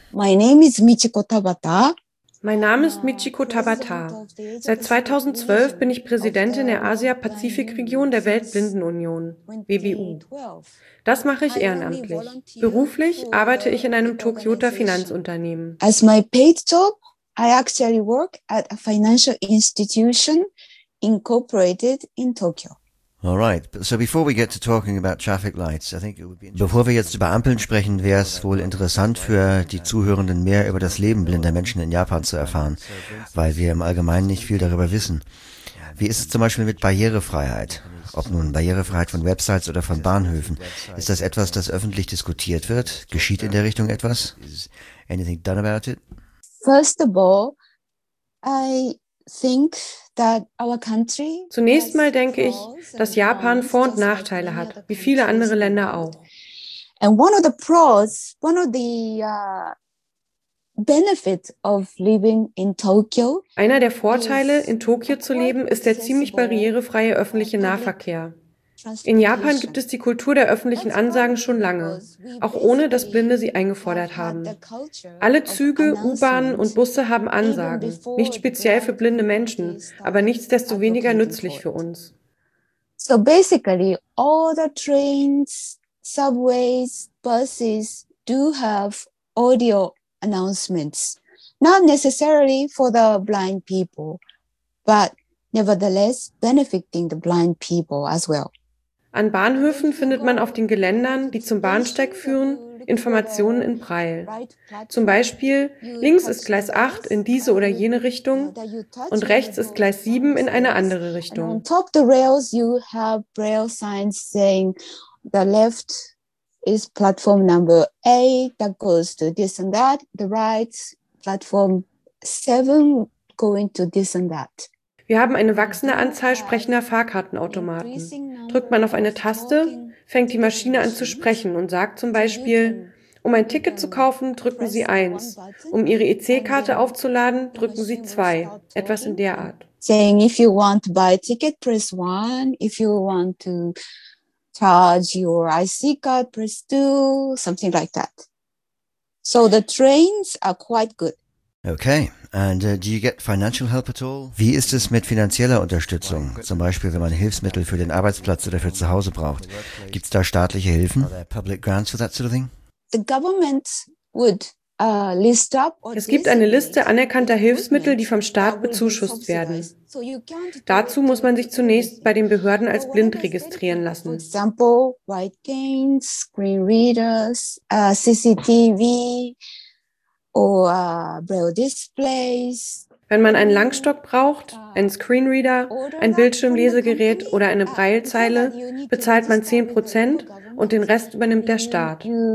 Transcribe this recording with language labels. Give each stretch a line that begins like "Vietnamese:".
English: My name is Michiko Tabata.
German: Mein Name ist Michiko Tabata. Seit 2012 bin ich Präsidentin der Asia-Pazifik-Region der Weltblindenunion, WBU. Das mache ich ehrenamtlich. Beruflich arbeite ich in einem Tokioter Finanzunternehmen.
English: As my paid job, I actually work at a financial institution incorporated in Tokyo. All right. So before we get to talking about traffic lights, I think it would be interesting.
German: Bevor wir jetzt über Ampeln sprechen, wäre es wohl interessant für die Zuhörenden mehr über das Leben blinder Menschen in Japan zu erfahren, weil wir im Allgemeinen nicht viel darüber wissen. Wie ist es zum Beispiel mit Barrierefreiheit? Ob nun Barrierefreiheit von Websites oder von Bahnhöfen? Ist das etwas, das öffentlich diskutiert wird? Geschieht in der Richtung etwas?
English: Is anything done about it? First of all, I think that our country.
German: Zunächst mal denke ich, dass Japan Vor- und Nachteile hat, wie viele andere Länder auch.
English: And one of the pros, one of the benefits of living in Tokyo.
German: Einer der Vorteile, in Tokio zu leben, ist der ziemlich barrierefreie öffentliche Nahverkehr. In Japan gibt es die Kultur der öffentlichen Ansagen schon lange, auch ohne, dass Blinde sie eingefordert haben. Alle Züge, U-Bahnen und Busse haben Ansagen, nicht speziell für blinde Menschen, aber nichtsdestoweniger nützlich für uns.
English: So basically, all the trains, subways, buses do have audio announcements. Not necessarily for the blind people, but nevertheless benefiting the blind people as well.
German: An Bahnhöfen findet man auf den Geländern, die zum Bahnsteig führen, Informationen in Braille. Zum Beispiel, links ist Gleis 8 in diese oder jene Richtung und rechts ist Gleis 7 in eine andere Richtung.
English: On top the rails you have Braille signs saying the left is platform number 8 that goes to this and that, the right platform 7 going to this and that.
German: Wir haben eine wachsende Anzahl sprechender Fahrkartenautomaten. Drückt man auf eine Taste, fängt die Maschine an zu sprechen und sagt zum Beispiel, um ein Ticket zu kaufen, drücken Sie 1. Um Ihre EC-Karte aufzuladen, drücken Sie 2. Etwas in der Art.
English: Saying, if you want to buy a ticket, press 1. If you want to charge your IC card, press 2. Something like that. So the trains are quite good. Okay, and do you get financial help at all?
German: Wie ist es mit finanzieller Unterstützung? Zum Beispiel, wenn man Hilfsmittel für den Arbeitsplatz oder für zu Hause braucht. Gibt's da staatliche Hilfen?
English: Are there public grants for that sort of thing? The government would list up.
German: Es gibt eine Liste anerkannter Hilfsmittel, die vom Staat bezuschusst werden. Dazu muss man sich zunächst bei den Behörden als blind registrieren lassen.
English: For example, white canes, screen readers, CCTV.
German: Wenn man einen Langstock braucht, einen Screenreader, ein Bildschirmlesegerät oder eine Braillezeile, bezahlt man 10% und den Rest übernimmt der Staat.